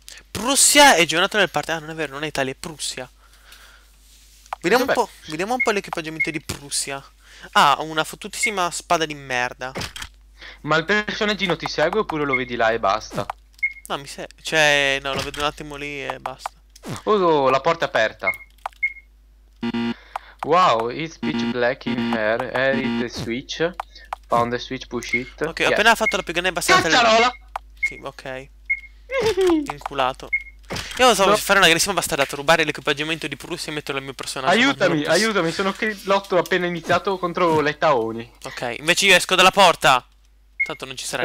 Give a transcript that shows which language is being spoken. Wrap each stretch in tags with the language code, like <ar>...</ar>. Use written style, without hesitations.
<it>Prussia è giornata nel partito. Ah, non è vero, non è Italia, è Prussia. Vediamo un po'. Vediamo un po' l'equipaggiamento di Prussia. Ah, una fottutissima spada di merda. Ma il personaggio ti segue oppure lo vedi là e basta? No, mi segue. Cioè, no, lo vedo un attimo lì e basta. Oh, la porta è aperta.</it> <en>Wow, it's pitch black in here. Edit the switch. Found the switch, push it.</en> <it>Ok, ho appena fatto la più grande bastata. Cacciarola! Sì, ok. Inculato. Io lo so, no. Fare una grandissima bastardata, rubare l'equipaggiamento di Prussia e metterlo al mio personaggio. Aiutami, aiutami, sono che lotto appena iniziato contro le Taoni. Ok, invece io esco dalla porta. Tanto non ci sarà</it>